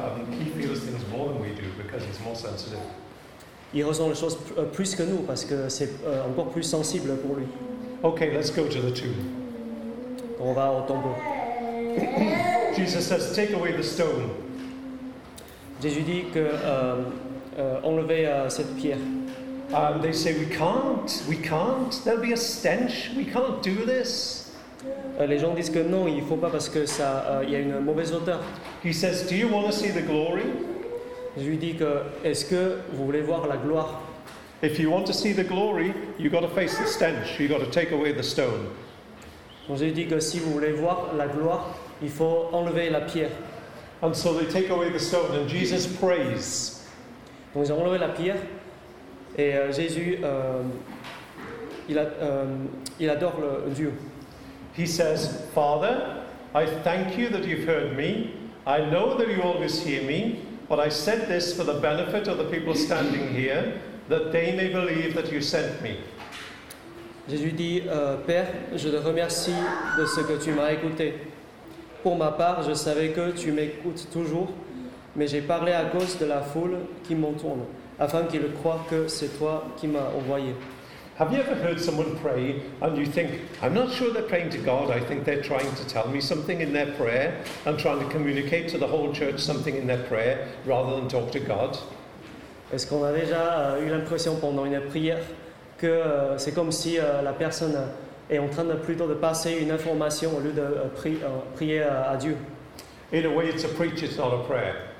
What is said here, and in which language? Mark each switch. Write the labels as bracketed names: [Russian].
[English] He feels things more than we do because he's more sensitive. [French] Il ressent les choses plus que nous parce que c'est encore plus sensible pour lui. [English] Okay, let's go to the tomb. [French] Donc on va au tombeau. [English] Jesus says, "Take away the stone." [French] Jésus dit que enlever cette pierre. [English] They say, we can't, there'll be a stench, we can't do this. [French] Les gens disent que non, il faut pas parce que ça, y a une mauvaise odeur. [English] He says, do you want to see the glory? [French] Je lui dis que, est-ce que vous voulez voir la gloire? [English] If you want to see the glory, you've got to face the stench, you've got to take away the stone. [French] Donc je lui dis que si vous voulez voir la gloire, il faut enlever la pierre. [English] And so they take away the stone, and Jesus prays. [French] Donc ils ont enlevé la pierre. Et Jésus, il adore le Dieu. [English] He says, Father, I thank you that you've heard me. I know that you always hear me, but I said this for the benefit of the people standing here, that they may believe that you sent me. [French] Jésus dit, Père, je te remercie de ce que tu m'as écouté. Pour ma part, je savais que tu m'écoutes toujours, mais j'ai parlé à cause de la foule qui m'entoure. Afin qu'il croie que c'est toi qui m'as envoyé. [English] Have you ever heard someone pray and you think, I'm not sure they're praying to God, I think they're trying to tell me something in their prayer and trying to communicate to the whole church something in their prayer rather than talk to God? [French] Est-ce qu'on a déjà eu l'impression pendant une prière que c'est comme si la personne est en train de plutôt de passer une information au lieu de prier à Dieu? [English] In a way, it's a preach, it's not a prayer.